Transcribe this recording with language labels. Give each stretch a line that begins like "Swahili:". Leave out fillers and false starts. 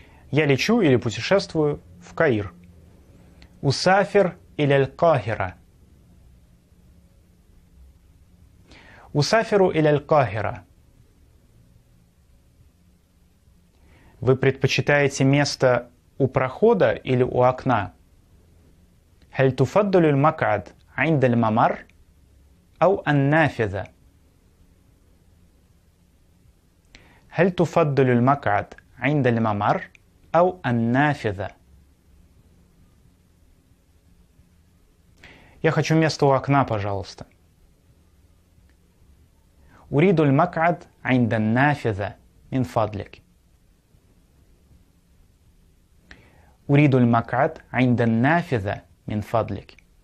Russian: Я лечу или путешествую в Каир.
Arabic: Усафер или аль-Кахира? Усаферу или аль-Кахира?
Russian: Вы предпочитаете место у прохода или у окна?
Arabic: هل تفضل المقعد عند الممر أو النافذة? هل تفضل المقعد عند الممر أو النافذة?
Russian: Я хочу место у окна, пожалуйста.
Arabic: أريد المقعد عند النافذة من فضلك. أريد المقعد عند النافذة من فضلك.